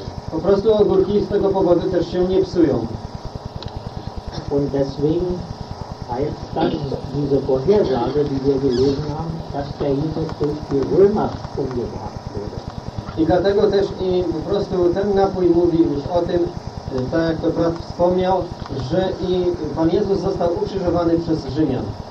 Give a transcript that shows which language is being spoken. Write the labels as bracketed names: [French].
[Polish] Po prostu ogórki z tego powodu też się nie psują. [German] Und deswegen heißt dann diese Vorhersage, die wir gelesen haben, dass der Jesus durch die Römer umgebracht wurde. [Polish] I dlatego też i po prostu ten napój mówi już o tym, tak jak to brat wspomniał, że i Pan Jezus został ukrzyżowany przez Rzymian.